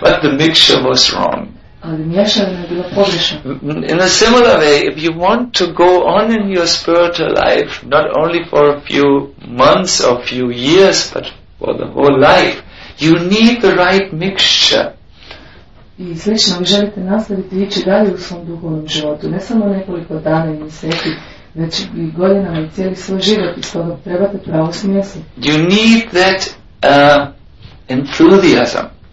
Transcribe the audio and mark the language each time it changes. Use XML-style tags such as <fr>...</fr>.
<en>But the mixture was wrong.</en> <hr>Ali mješanina je bila pogrešna.</hr> <en>In a similar way, if you want to go on in your spiritual life, not only for a few months or a few years, but for the whole life, you need the right mixture.</en> <hr>I slično, vi želite nastaviti ići dalje u svom duhovnom životu, ne samo nekoliko dana i mjeseci, već i godinama i cijeli svoj život, i stoga trebate pravo smjesu.</hr> <en>You need that enthusiasm.</en>